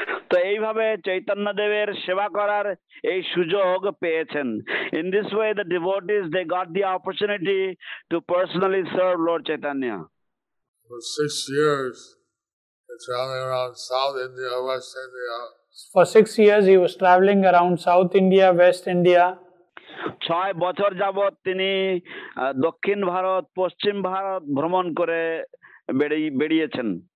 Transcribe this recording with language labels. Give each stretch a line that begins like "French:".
Bangla: তো এইভাবে চৈতন্য দেবের সেবা করার এই সুযোগ পেয়েছেন.
English: In this way the devotees they got the opportunity to personally serve Lord Chaitanya. For 6 years, he was traveling around South India, West India. For 6 years, he was traveling around South India, West India.
Bangla: 6 বছর যাবত তিনি দক্ষিণ ভারত, পশ্চিম ভারত ভ্রমণ করে বেরিয়েছেন.